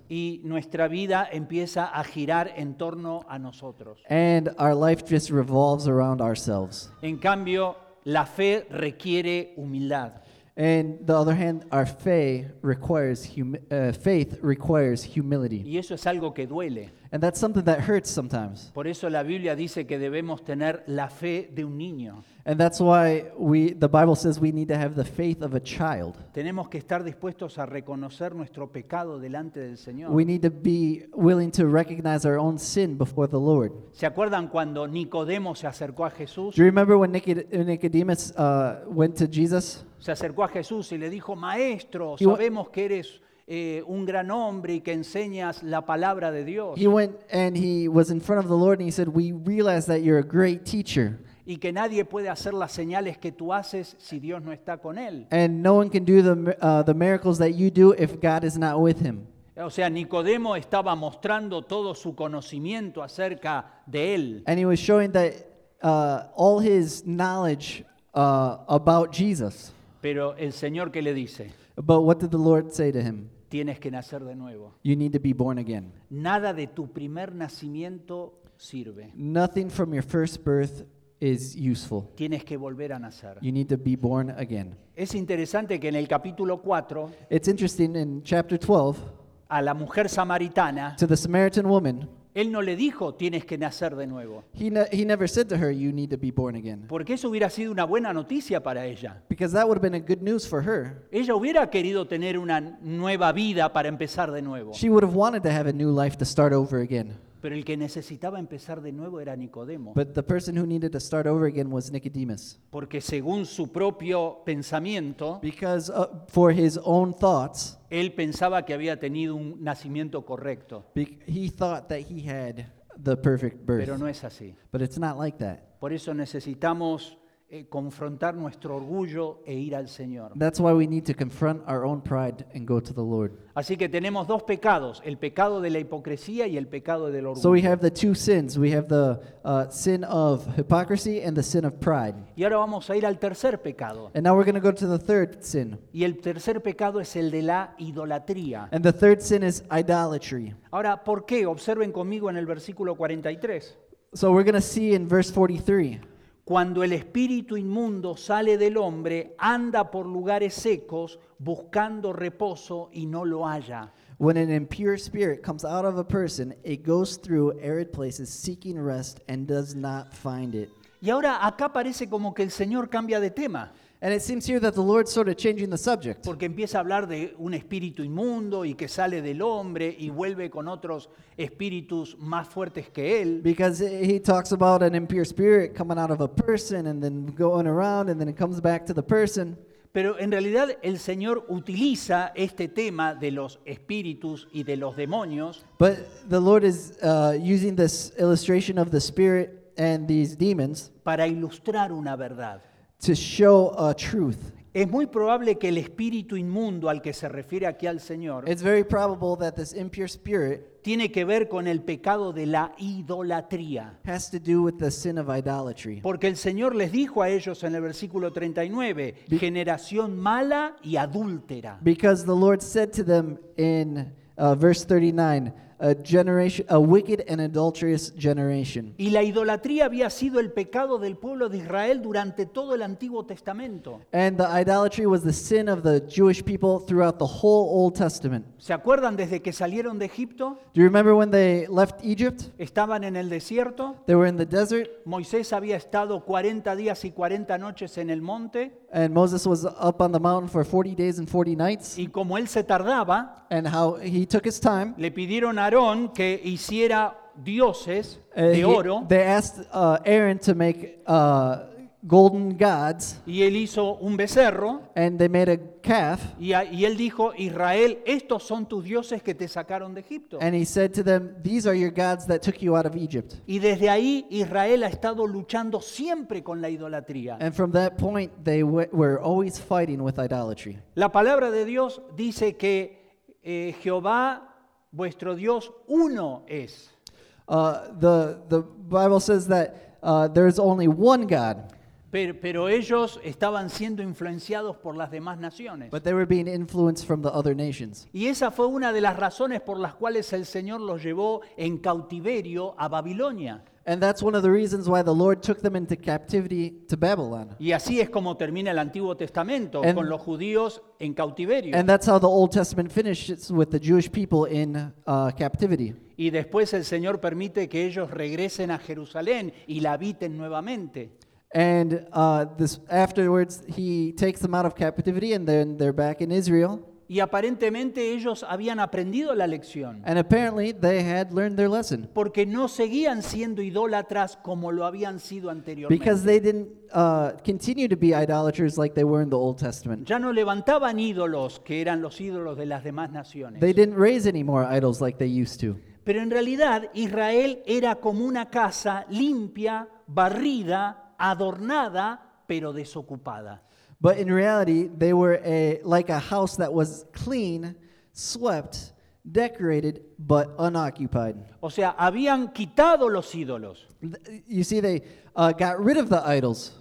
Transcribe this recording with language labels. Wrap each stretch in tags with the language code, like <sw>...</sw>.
<es>Y nuestra vida empieza a girar en torno a nosotros.</es> <en>And our life just revolves around ourselves.</en> <es>En cambio, la fe requiere humildad.</es> <en>And the other hand, our faith requires humility.</en> <es>Y eso es algo que duele.</es> <en>And that's something that hurts sometimes.</en> <es>Por eso la Biblia dice que debemos tener la fe de un niño.</es> <en>And that's why the Bible says we need to have the faith of a child.</en> <es>Tenemos que estar dispuestos a reconocer nuestro pecado delante del Señor.</es> <en>We need to be willing to recognize our own sin before the Lord.</en> <es>¿Se acuerdan cuando Nicodemo se acercó a Jesús?</es> <en>Do you remember when Nicodemus went to Jesus?</en> <es>Se acercó a Jesús y le dijo, Maestro, sabemos que eres un gran hombre y que enseñas la palabra de Dios.</es> <en>He went and he was in front of the Lord and he said, we realize that you're a great teacher.</en> <es>Y que nadie puede hacer las señales que tú haces si Dios no está con él.</es> <en>And no one can do the miracles that you do if God is not with him.</en> <es>O sea, Nicodemo estaba mostrando todo su conocimiento acerca de él.</es> <en>And he was showing that all his knowledge about Jesus.</en> <es>Pero el Señor, ¿qué le dice?</es> <en>But what did the Lord say to him?</en> <es>Tienes que nacer de nuevo.</es> <en>You need to be born again.</en> <es>Nada de tu primer nacimiento sirve.</es> <en>Nothing from your first birth is useful.</en> <es>Tienes que volver a nacer.</es> <en>You need to be born again.</en> <es>Es interesante que en el capítulo 4,</es> <en>it's interesting in chapter 12,</en> <es>a la mujer samaritana,</es> <en>to the Samaritan woman,</en> <es>él no le dijo tienes que nacer de nuevo.</es> <en>He never said to her you need to be born again.</en> <es>Porque eso hubiera sido una buena noticia para ella.</es> <en>Because that would have been a good news for her.</en> <es>Ella hubiera querido tener una nueva vida para empezar de nuevo.</es> <en>She would have wanted to have a new life to start over again.</en> <es>Pero el que necesitaba empezar de nuevo era Nicodemo.</es> <en>But the person who needed to start over again was Nicodemus.</en> <es>Porque según su propio pensamiento,</es> <en>because for his own thoughts,</en> <es>él pensaba que había tenido un nacimiento correcto.</es> <en>He thought that he had the perfect birth.</en> <es>Pero no es así.</es> <en>But it's not like that.</en> <es>Por eso necesitamos confrontar nuestro orgullo e ir al Señor.</es> <en>That's why we need to confront our own pride and go to the Lord.</en> <es>Así que tenemos dos pecados, el pecado de la hipocresía y el pecado del orgullo.</es> <en>So we have the two sins. We have the sin of hypocrisy and the sin of pride.</en> <es>Y ahora vamos a ir al tercer pecado.</es> <en>And now we're going to go to the third sin.</en> <es>Y el tercer pecado es el de la idolatría.</es> <en>And the third sin is idolatry.</en> <es>Ahora, ¿por qué? Observen conmigo en el versículo 43.</es> <en>So we're going to see in verse 43.</en> <es>Cuando el espíritu inmundo sale del hombre, anda por lugares secos buscando reposo y no lo halla.</es> <en>When an impure spirit comes out of a person, it goes through arid places seeking rest and does not find it.</en> <es>Y ahora acá parece como que el Señor cambia de tema.</es> <en>And it seems here that the Lord's sort of changing the subject.</en> <es>Porque empieza a hablar de un espíritu inmundo y que sale del hombre y vuelve con otros espíritus más fuertes que él.</es> <en>Because he talks about an impure spirit coming out of a person and then going around and then it comes back to the person.</en> <es>Pero en realidad el Señor utiliza este tema de los espíritus y de los demonios.</es> <en>But the Lord is using this illustration of the spirit and these demons</en> <es>para ilustrar una verdad.</es> <en>To show a truth.</en> <es>Es muy probable que el espíritu inmundo al que se refiere aquí al Señor,</es> <en>it's very probable that this impure spirit</en> <es>tiene que ver con el pecado de la idolatría.</es> <en>Has to do with the sin of idolatry.</en> <es>Porque el Señor les dijo a ellos en el versículo 39, generación mala y adúltera.</es> <en>Because the Lord said to them in verse 39, a wicked and adulterous generation.</en> <es>Y la idolatría había sido el pecado del pueblo de Israel durante todo el Antiguo Testamento.</es> <en>And the idolatry was the sin of the Jewish people throughout the whole Old Testament.</en> <es>¿Se acuerdan desde que salieron de Egipto?</es> <en>Do you remember when they left Egypt?</en> <es>Estaban en el desierto.</es> <en>They were in the desert.</en> <es>Moisés había estado 40 días y 40 noches en el monte.</es> <en>And Moses was up on the mountain for 40 days and 40 nights.</en> <es>Y como él se tardaba,</es> <en>and how he took his time,</en> <es>le pidieron a Aarón que hiciera dioses de oro.</es> <en>They asked Aaron to make golden gods.</en> <es>Y él hizo un becerro.</es> <en>And they made a calf.</en> <es>Y él dijo, Israel, estos son tus dioses que te sacaron de Egipto.</es> <en>And he said to them, these are your gods that took you out of Egypt.</en> <es>Y desde ahí Israel ha estado luchando siempre con la idolatría.</es> <en>And from that point they were always fighting with idolatry.</en> <es>La palabra de Dios dice que Jehová vuestro Dios uno es.</es> <en>The Bible says that there is only one God.</en> <es>Pero ellos estaban siendo influenciados por las demás naciones.</es> <en>But they were being influenced from the other nations.</en> <es>Y esa fue una de las razones por las cuales el Señor los llevó en cautiverio a Babilonia.</es> <en>And that's one of the reasons why the Lord took them into captivity to Babylon.</en> <es>Y así es como termina el Antiguo Testamento con los judíos en cautiverio.</es> <en>And that's how the Old Testament finishes with the Jewish people in captivity.</en> <es>Y después el Señor permite que ellos regresen a Jerusalén y la habiten nuevamente.</es> <en>And this afterwards he takes them out of captivity and then they're back in Israel.</en> <es>Y aparentemente ellos habían aprendido la lección.</es> <en>And apparently they had learned their lesson.</en> <es>Porque no seguían siendo idólatras como lo habían sido anteriormente.</es> <en>Because they didn't continue to be idolaters like they were in the Old Testament.</en> <es>Ya no levantaban ídolos que eran los ídolos de las demás naciones.</es> <en>They didn't raise any more idols like they used to.</en> <es>Pero en realidad Israel era como una casa limpia, barrida, adornada, pero desocupada.</es> <en>But in reality, they were like a house that was clean, swept, decorated, but unoccupied.</en> <es>O sea, habían quitado los ídolos.</es> <en>You see, they got rid of the idols.</en>